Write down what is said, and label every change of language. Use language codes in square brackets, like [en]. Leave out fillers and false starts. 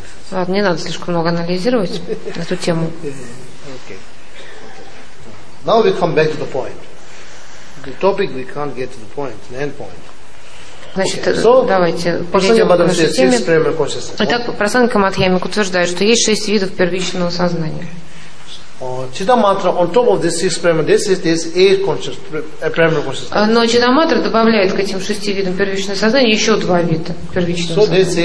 [ru] Ладно, не надо слишком много анализировать эту тему. [en] Now we come back to the point. The topic we can't get to the point, the end point. [ru] Значит, [en] okay. So, [ru] давайте перейдем к нашей теме. Итак, Прасанна Каматхьямик утверждает, что есть шесть видов первичного сознания. [en] Читамантра on top of these six premier, this is this eight conscious, premier consciousness. [ru] Но читамантра добавляет к этим шести видам первичного сознания еще два вида первичного сознания.